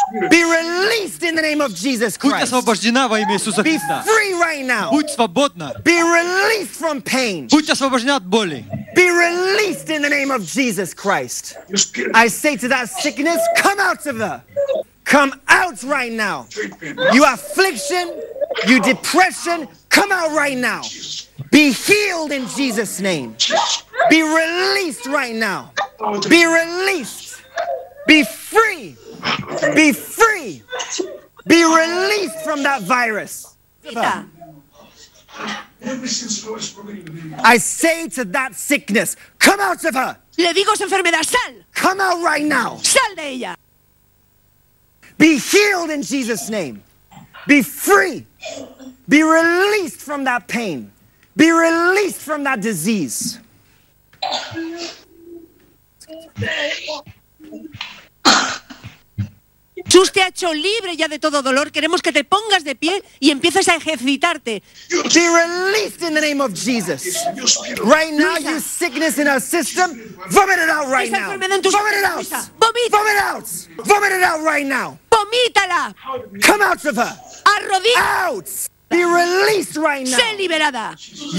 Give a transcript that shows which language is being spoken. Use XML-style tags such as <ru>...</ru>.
<en>Be released in the name of Jesus Christ.</en> <ru>Будь освобождена во имя Иисуса Христа.</ru> <en>Be free right now.</en> <ru>Будь свободна.</ru> <en>Be released from pain.</en> <ru>Будь освобождена от боли.</ru> <en>Be released in the name of Jesus Christ. I say to that sickness, come out of her. Come out right now. You affliction, you depression, come out right now. Be healed in Jesus' name. Be released right now. Be released. Be free. Be free. Be released from that virus. I say to that sickness, come out of her.</en> <es>Le digo esa enfermedad, sal.</es> <en>Come out right now.</en> <es>Sal de ella.</es> <en>Be healed in Jesus' name. Be free. Be released from that pain. Be released from that disease.</en> <es>Jesús te ha hecho libre ya de todo dolor. Queremos que te pongas de pie y empieces a ejercitarte.</es> <en>Be released in the name of Jesus. Right now, you sickness in our system, vomit it out right now. Vomit it out.</en> <es>Vomita.</es> <en>Vomit it out. Vomit it out right now.</en> <es>Vomítala.</es> <en>Come out of her.</en> <es>Arrodilla.</es> <en>Out. Be released right now.</en> <es>Sé liberada.</es>